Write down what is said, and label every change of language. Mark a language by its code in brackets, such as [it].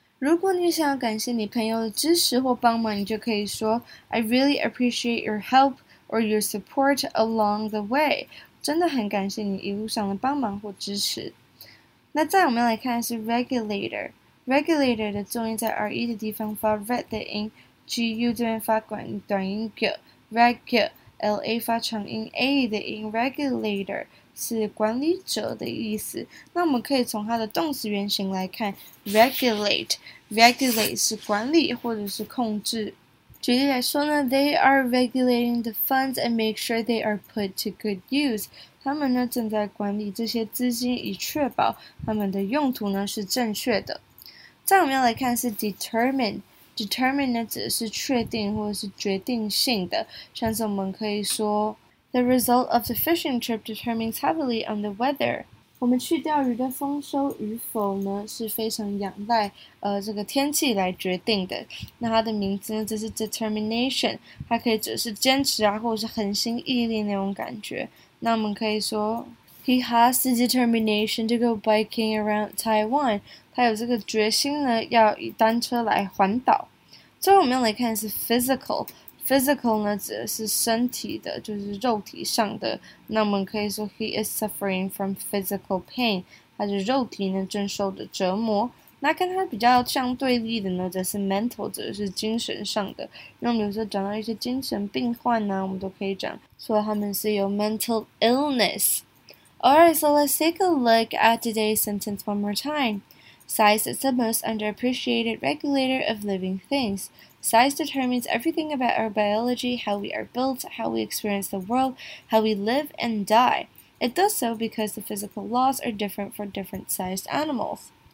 [zh] 如果你想要感谢你朋友的支持或帮忙，你就可以说 [en] I really appreciate your help or your support along the way。 [zh] 真的很感谢你一路上的帮忙或支持。那再我们来看是 regulator， regulator 的重音在 re 的地方发 red 的音 ，g u 这边发短音 g， regular。 L-A 发长音 A 的音 Regulator 是管理者的意思那我们可以从它的动词原形来看 Regulate Regulate 是管理或者是控制举例来说呢 [en] They are regulating the funds and make sure they are put to good use [zh] 他们呢正在管理这些资金以确保他们的用途呢是正确的再我们要来看是 Determine Determine 呢指的是确定或者是决定性的，像是我们可以说 ， [en] The result of the fishing trip determines heavily on the weather。 [zh] 我们去钓鱼的丰收与否呢，是非常仰赖这个天气来决定的。那它的名字呢，就是 determination， 它可以指的是坚持啊，或者是恒心毅力那种感觉。那我们可以说 [en] ，He has the determination to go biking around Taiwan。 [zh] 他有这个决心呢，要以单车来环岛。最后我们要来看的是 physical， physical 呢指的是身体的，就是肉体上的。那我们可以说 [en] he is suffering from physical pain， [zh] 他的肉体呢正受着折磨。那跟他比较相对立的呢，则是 mental， 指的是精神上的。因为我们有时候讲到一些精神病患呢，我们都可以讲说他们是有 mental illness。 [en] Alright， so let's take a look at today's sentence one more time。 Size is the most underappreciated regulator of living things. Size determines everything about our biology, how we are built, how we experience the world, how we live and die. It does so because the physical laws are different for different sized animals.